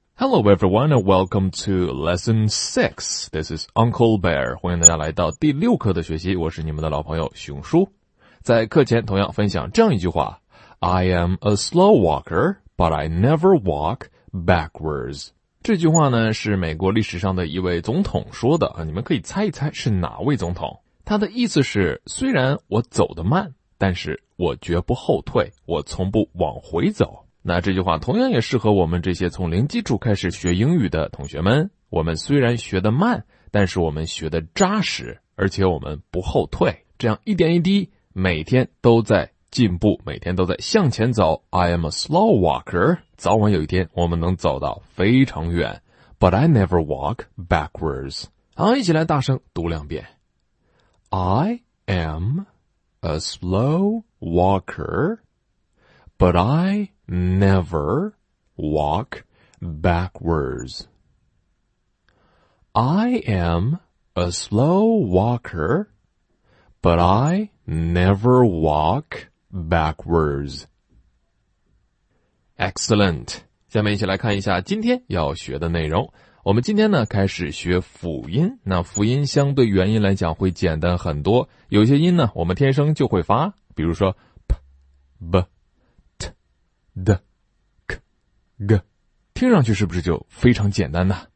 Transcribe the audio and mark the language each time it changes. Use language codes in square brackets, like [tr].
[en] Hello everyone, and welcome to Lesson 6. This is Uncle Bear. [zh] 欢迎大家来到第六课的学习，我是你们的老朋友熊叔。在课前同样分享这样一句话， [en] I am a slow walker, but I never walk backwards. [zh] 这句话呢，是美国历史上的一位总统说的，你们可以猜一猜是哪位总统。他的意思是，虽然我走得慢，但是我绝不后退，我从不往回走。那这句话同样也适合我们这些从零基础开始学英语的同学们。我们虽然学得慢，但是我们学得扎实，而且我们不后退。这样一点一滴，每天都在进步，每天都在向前走。 [en] I am a slow walker. [zh] 早晚有一天，我们能走到非常远。 [en] But I never walk backwards. [zh] 好，一起来大声读两遍。 [en] I am a slow walker. But I never walk backwards. I am a slow walker, but I never walk backwards. Excellent. [zh] 下面一起来看一下今天要学的内容。我们今天呢开始学辅音，那辅音相对元音来讲会简单很多。有些音呢我们天生就会发，比如说 p, b,d, k, g, 听上去是不是就非常简单呢？